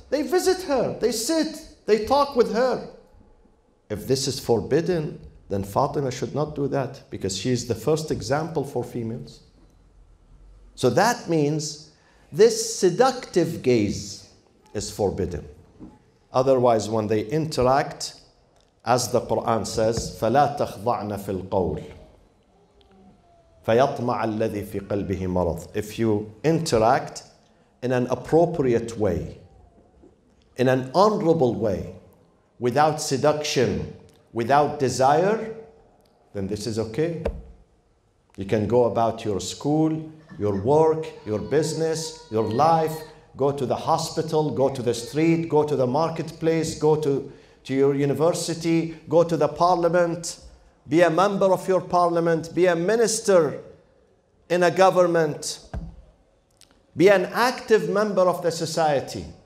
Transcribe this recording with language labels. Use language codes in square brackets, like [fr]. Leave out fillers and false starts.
[en] They visit her. They sit. They talk with her. If this is forbidden, then Fatima should not do that, because she is the first example for females. So that means this seductive gaze is forbidden. Otherwise, when they interact, as the Quran says, [ar] فَلَا تَخْضَعْنَ فِي الْقَوْلِ فَيَطْمَعَ الَّذِي فِي قَلْبِهِ مَرَضٍ. [en] If you interact in an appropriate way, in an honorable way, without seduction, without desire, then this is okay. You can go about your school, your work, your business, your life, go to the hospital, go to the street, go to the marketplace, go to your university, go to the parliament, be a member of your parliament, be a minister in a government, be an active member of the society.